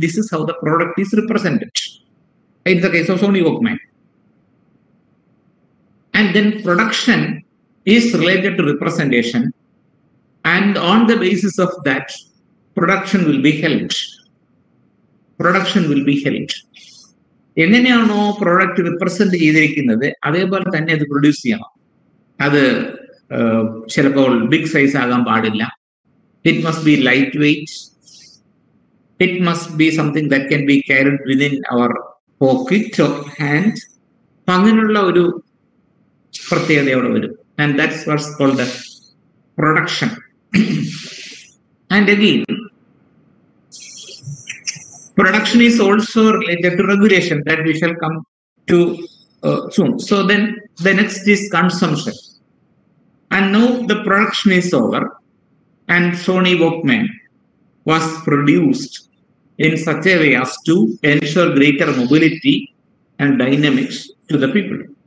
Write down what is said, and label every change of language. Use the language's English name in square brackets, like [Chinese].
[English] This is how the product is represented in the case of Sony Walkman. And then production is related to representation, and on the basis of that, production will be held. Production will be held. [Malayalam] എങ്ങനെയാണോ product represent ചെയ്തിരിക്കുന്നത് അതേപോലെ തന്നെ അത് produce ചെയ്യണം. അത് ചിലപ്പോൾ big size ആകാൻ പാടില്ല. [English] It must be light weight, it must be something that can be carried within our pocket of hand. [Malayalam] അപ്പൊ അങ്ങനെയുള്ള ഒരു പ്രത്യേകത അവിടെ വരും. [English] And that's what's called production. And again production is also related to regulation that we shall come to soon. So then the next is consumption. And now the production is over and Sony Walkman was produced in such a way as to ensure greater mobility and dynamics to the people.